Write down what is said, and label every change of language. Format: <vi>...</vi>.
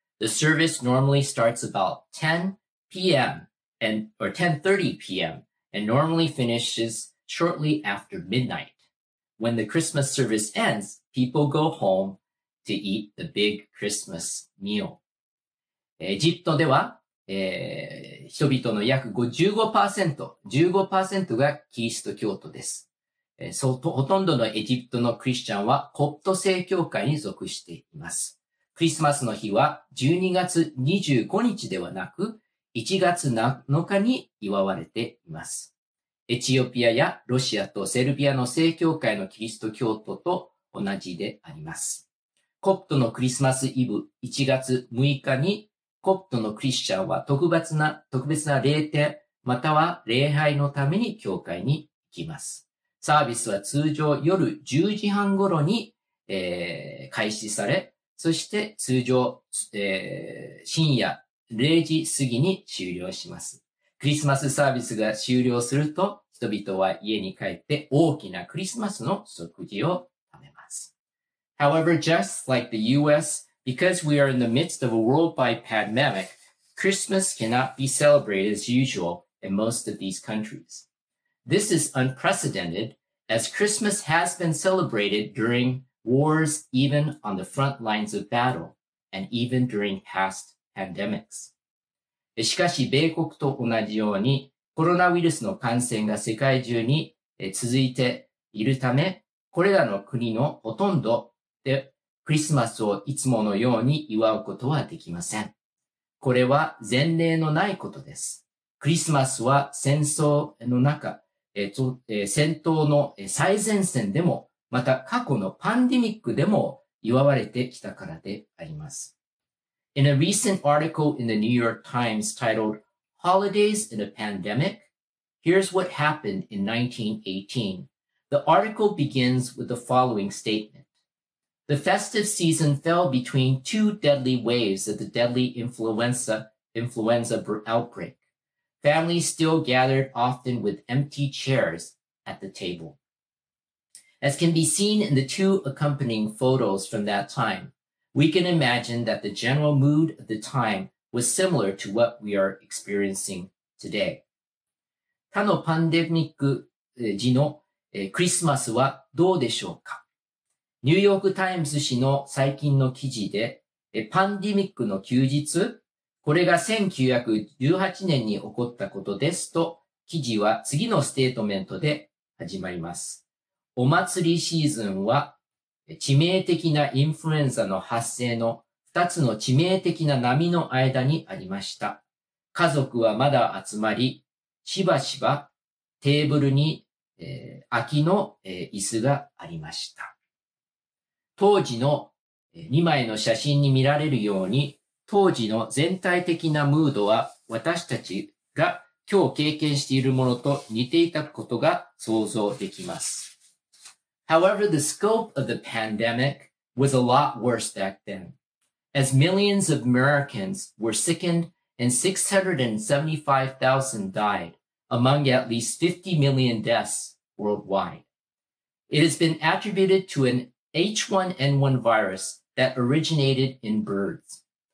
<en>The service normally starts about 10 p.m. and or 10:30 p.m. and normally finishes shortly after midnight. When the Christmas service ends, people go home to eat the big Christmas meal.</en> <ja>エジプトでは、人々の約 15% がキリスト教徒です。ほとんどのエジプトのクリスチャンはコプト正教会に属しています。クリスマスの日は12月25日ではなく1月7日に祝われています。エチオピアやロシアとセルビアの正教会のキリスト教徒と同じであります。コプトのクリスマスイブ1月6日にコプトのクリスチャンは特別な礼典または礼拝のために教会に行きます。サービスは通常夜10時半頃に、開始され、そして通常、深夜0時過ぎに終了します。クリスマスサービスが終了すると、人々は家に帰って大きなクリスマスの食事を食べます。</ja> <en>However, just like the US, because we are in the midst of a worldwide pandemic, Christmas cannot be celebrated as usual in most of these countries. This is unprecedented, as Christmas has been celebrated during wars, even on the front lines of battle, and even during past pandemics.</en> <ja>しかし、米国と同じように、コロナウイルスの感染が世界中に続いているため、これらの国のほとんどでクリスマスをいつものように祝うことはできません。これは前例のないことです。クリスマスは戦争の中、戦闘の最前線でも、また過去のパンデミックでも祝われてきたからであります。</ja> <en>In a recent article in the New York Times titled Holidays in a Pandemic, here's what happened in 1918. The article begins with the following statement. The festive season fell between two deadly waves of the deadly influenza outbreak. Families still gathered often with empty chairs at the table. As can be seen in the two accompanying photos from that time,We can imagine that the general mood of the time was similar to what we are experiencing today.</en> <ja>他のパンデミック時のクリスマスはどうでしょうか？ニューヨークタイムズ紙の最近の記事で、パンデミックの休日、これが1918年に起こったことですと、記事は次のステートメントで始まります。お祭りシーズンは、致命的なインフルエンザの発生の2つの致命的な波の間にありました。家族はまだ集まり、しばしばテーブルに、空きの、椅子がありました。当時の、2枚の写真に見られるように、当時の全体的なムードは私たちが今日経験しているものと似ていたことが想像できます。</ja> <en>However, the scope of the pandemic was a lot worse back then. As millions of Americans were sickened and 675,000 died, among at least 50 million deaths worldwide. It has been attributed to an H1N1 virus that originated in birds.</en>